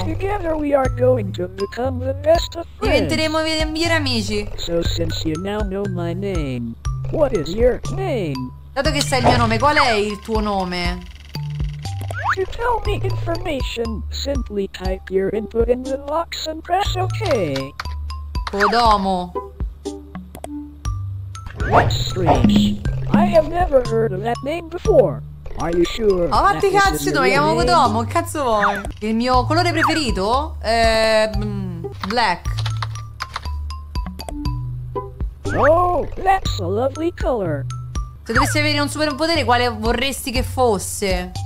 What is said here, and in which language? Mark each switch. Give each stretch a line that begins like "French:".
English: And together we are going to become the best of friends.
Italian: Diventeremo i migliori amici.
English: So since you now know my name, what is your name?
Italian: Dato che sai il mio nome, qual è il tuo nome?
English: To tell me information, simply type your input in the box and press OK. Podomo. What's strange? I have never heard of that name before. Are you sure?
Italian: Ma vatti cazzi tu, mi chiamo Podomo, che cazzo vuoi? Il mio colore preferito? Black.
English: Oh, that's a lovely color.
Italian: Se dovessi avere un superpotere, quale vorresti che fosse?